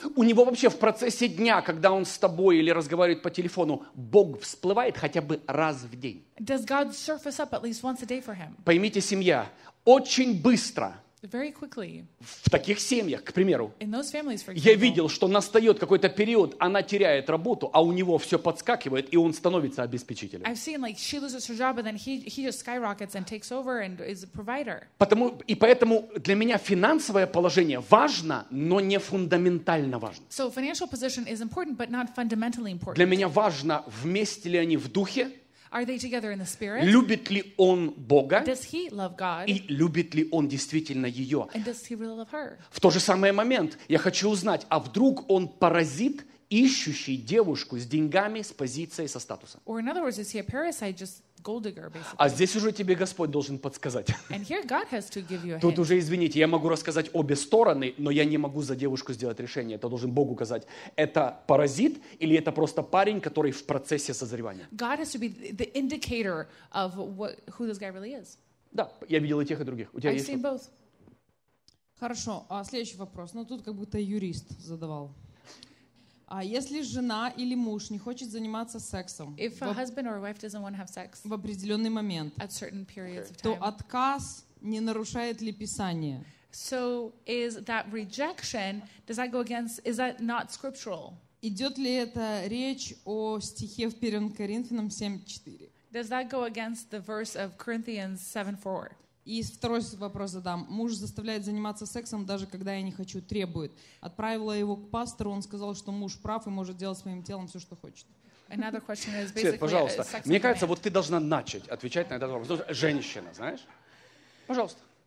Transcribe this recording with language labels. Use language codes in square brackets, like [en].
[ru] У него вообще в процессе дня, когда он с тобой или разговаривает по телефону, Бог всплывает хотя бы раз в день. [en] Does God surface up at least once a day for him? [ru] Поймите, семья, очень быстро. [en] Very quickly. [ru] В таких семьях, к примеру, [en] in those families, for example, [ru] я видел, что настает какой-то период, она теряет работу, а у него все подскакивает, и он становится обеспечителем. [en] I've seen, like, she loses her job, and then he just skyrockets and takes over and is a provider. [ru] Потому, и поэтому для меня финансовое положение важно, но не фундаментально важно. [en] So financial position is important, but not fundamentally important. [ru] Для меня важно, вместе ли они в духе. [en] Are they together in the spirit? [ru] Любит ли он Бога? [en] Does he love God? [ru] И любит ли он действительно ее? [en] And does he really love her? [ru] В тот же самый момент я хочу узнать, а вдруг он паразит, ищущий девушку с деньгами, с позицией, со статусом? [en] Or in other words, is he a parasite, just gold digger, basically? [ru] А здесь уже тебе Господь должен подсказать. [en] And here God has to give you a hint. [ru] Тут уже, извините, я могу рассказать обе стороны, но я не могу за девушку сделать решение. Это должен Бог указать. Это паразит или это просто парень, который в процессе созревания? [en] God has to be the indicator of who this guy really is. [ru] Да, я видел и тех, и других. У тебя [en] I've seen both. [ru] Хорошо, а следующий вопрос. Ну, тут как будто юрист задавал. А если жена или муж не хочет заниматься сексом в определенный момент, то отказ не нарушает ли Писание? [en] So is that rejection, does that go against, is that not scriptural? [ru] Идет ли это речь о стихе в 1 Коринфянам 7:4? [en] Does that go against the verse of Corinthians 7:4? [ru] И второй вопрос задам. Муж заставляет заниматься сексом, даже когда я не хочу, требует. Отправила его к пастору, он сказал, что муж прав и может делать с моим телом все, что хочет. Свет, пожалуйста, мне кажется, вот ты должна начать отвечать на этот вопрос. Женщина, знаешь? Пожалуйста.